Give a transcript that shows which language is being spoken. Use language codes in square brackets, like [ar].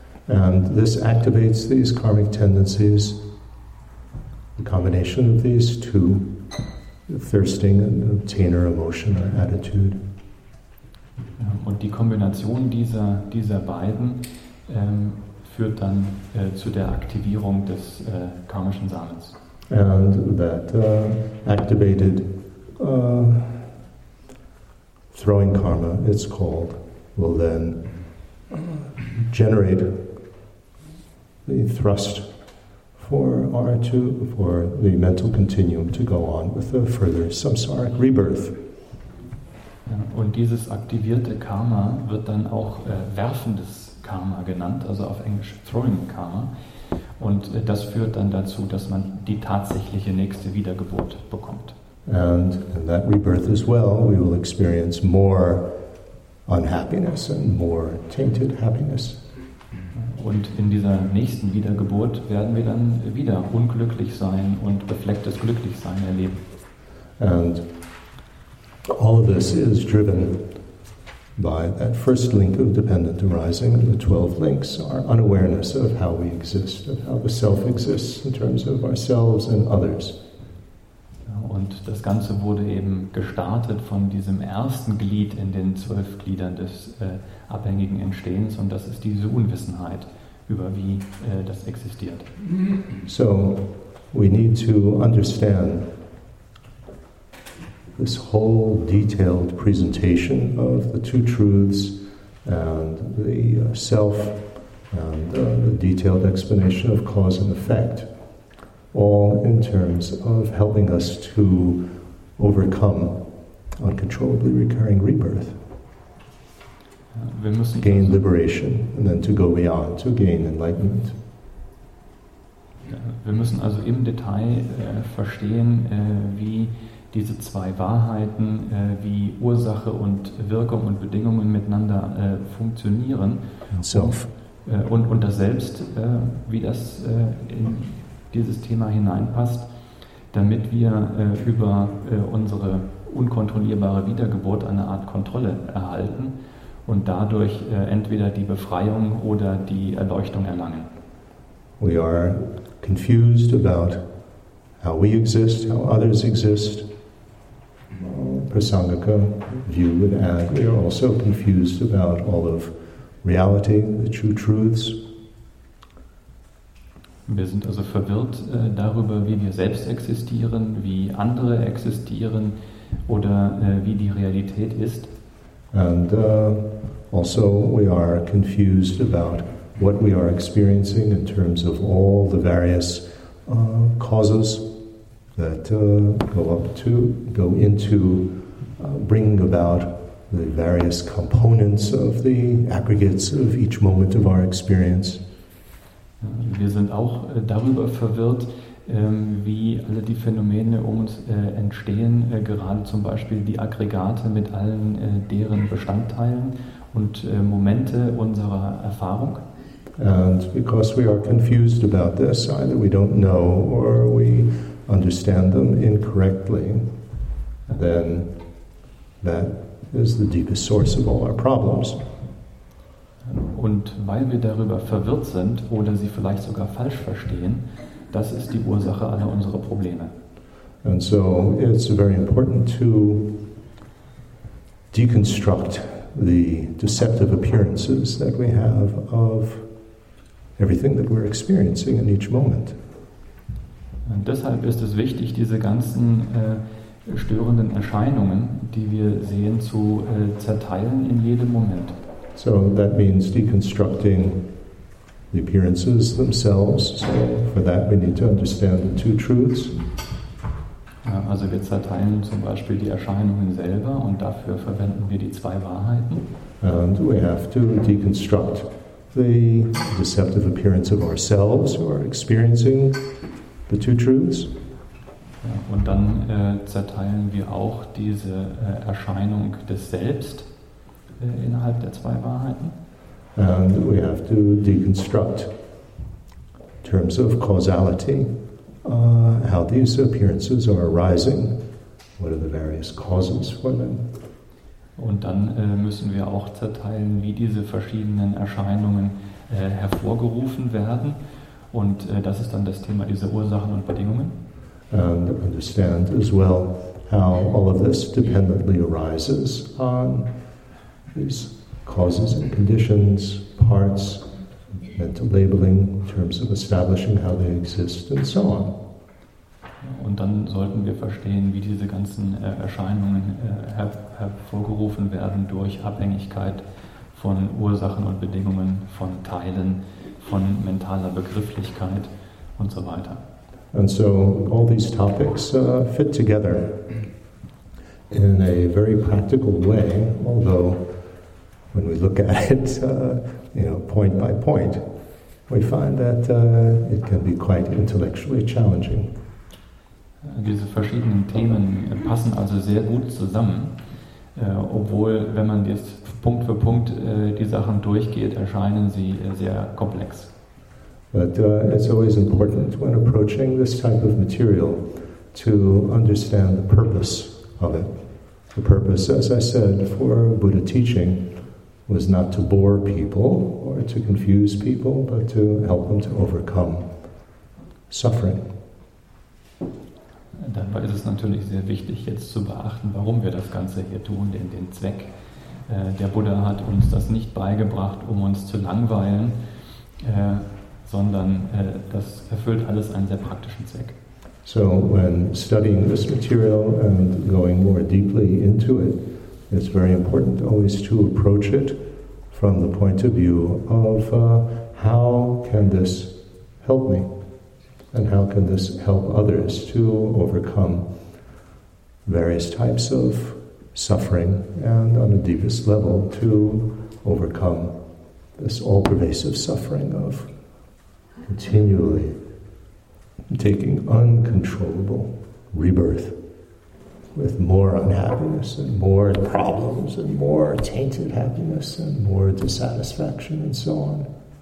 [en] And this activates these karmic tendencies, the combination of these two, the thirsting and the obtainer emotion or attitude. [de] Und die Kombination dieser beiden führt dann zu der Aktivierung des karmischen Samens. [en] And that activated throwing karma, it's called, will then generate the thrust for the mental continuum to go on with a further samsaric rebirth. [de] Ja, und dieses aktivierte Karma wird dann auch werfendes Karma genannt, also auf Englisch throwing karma. Und das führt dann dazu, dass man die tatsächliche nächste Wiedergeburt bekommt. [en] And in that rebirth as well, we will experience more unhappiness and more tainted happiness. [de] Und in dieser nächsten Wiedergeburt werden wir dann wieder unglücklich sein und beflecktes Glücklichsein erleben. [en] And all of this is driven by that first link of dependent arising. The 12 links are unawareness of how we exist, of how the self exists in terms of ourselves and others. [de] Und das Ganze wurde eben gestartet von diesem ersten Glied in den 12 Gliedern des abhängigen Entstehens, und das ist diese Unwissenheit über wie das existiert. [en] So, we need to understand this whole detailed presentation of the two truths and the self and the detailed explanation of cause and effect, all in terms of helping us to overcome uncontrollably recurring rebirth, to gain liberation, and then to go beyond, to gain enlightenment. [de] Wir müssen also im Detail verstehen, wie diese zwei Wahrheiten, wie Ursache und Wirkung und Bedingungen miteinander funktionieren. [en] Self. [de] Und das Selbst, wie das in dieses Thema hineinpasst, damit wir über unsere unkontrollierbare Wiedergeburt eine Art Kontrolle erhalten und dadurch entweder die Befreiung oder die Erleuchtung erlangen. [en] We are confused about how we exist, how others exist. Prasangika view would add, we are also confused about all of reality, the true truths. [de] Wir sind also verwirrt darüber, wie wir selbst existieren, wie andere existieren oder wie die Realität ist. [en] And also we are confused about what we are experiencing in terms of all the various causes that bringing about the various components of the aggregates of each moment of our experience. [de] Wir sind auch darüber verwirrt, wie alle die Phänomene um uns entstehen, gerade zum Beispiel die Aggregate mit allen deren Bestandteilen und Momente unserer Erfahrung. [en] And because we are confused about this, either we don't know or we understand them incorrectly, then that is the deepest source of all our problems. [de] Und weil wir darüber verwirrt sind oder sie vielleicht sogar falsch verstehen, das ist die Ursache aller unserer Probleme. [en] And so it's very important to deconstruct the deceptive appearances that we have of everything that we're experiencing in each moment. [de] Und deshalb ist es wichtig, diese ganzen störenden Erscheinungen, die wir sehen, zu zerteilen in jedem Moment. [en] So that means deconstructing the appearances themselves. So for that we need to understand the two truths. [de] Also wir zerteilen zum Beispiel die Erscheinungen selber und dafür verwenden wir die zwei Wahrheiten. [en] And we have to deconstruct the deceptive appearance of ourselves who are experiencing the two truths. [de] Ja, und dann zerteilen wir auch diese Erscheinung des Selbst innerhalb der zwei Wahrheiten. [en] And we have to deconstruct in terms of causality how these appearances are arising, what are the various causes for them. [de] Und dann müssen wir auch zerteilen, wie diese verschiedenen Erscheinungen hervorgerufen werden. Und das ist dann das Thema dieser Ursachen und Bedingungen. [en] And understand as well how all of this dependently arises on these causes and conditions, parts, mental labeling in terms of establishing how they exist and so on. [de] Und dann sollten wir verstehen, wie diese ganzen Erscheinungen hervorgerufen werden durch Abhängigkeit von Ursachen und Bedingungen, von Teilen, von mentaler Begrifflichkeit und so weiter. [en] And so all these topics fit together in a very practical way, although when we look at it, point by point, we find that it can be quite intellectually challenging. [de] Diese verschiedenen Themen passen also sehr gut zusammen, obwohl, wenn man jetzt Punkt für Punkt die Sachen durchgeht, erscheinen sie sehr komplex. [en] But it's always important when approaching this type of material to understand the purpose of it. The purpose, as I said, for Buddha teaching was not to bore people or to confuse people, but to help them to overcome suffering. [de] Dabei ist es natürlich sehr wichtig, jetzt zu beachten, warum wir das Ganze hier tun, denn den Zweck. Der Buddha hat uns das nicht beigebracht, um uns zu langweilen, sondern das erfüllt alles einen sehr praktischen Zweck. [en] So, when studying this material and going more deeply into it, it's very important always to approach it from the point of view of how can this help me? And how can this help others to overcome various types of suffering and on a deepest level to overcome this all-pervasive suffering of continually taking uncontrollable rebirth with more unhappiness and more problems and more tainted happiness and more dissatisfaction and so on.